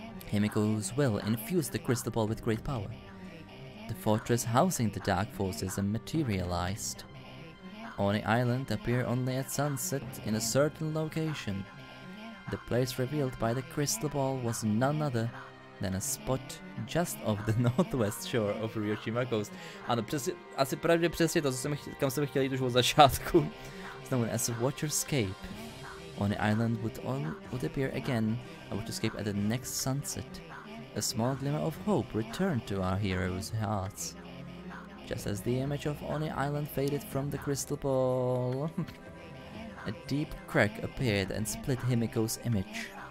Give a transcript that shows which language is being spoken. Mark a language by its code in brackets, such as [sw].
[en] Himiko's will infused the crystal ball with great power. The fortress housing the dark forces materialized. Oni Island appeared only at sunset in a certain location. The place revealed by the crystal ball was none other than a spot just off the northwest shore of Ryoshima coast. [cs] Ano, přesně, asi pravdě přesně to, co jsem chtěl, kam jsem chtěl jít už od začátku. [en] It's known as a Watcherscape. Oni Island would appear again, a Watcherscape at the next sunset. A small glimmer of hope returned to our heroes' hearts. Just as the image of Oni Island faded from the crystal ball, a deep crack appeared and split Himiko's image.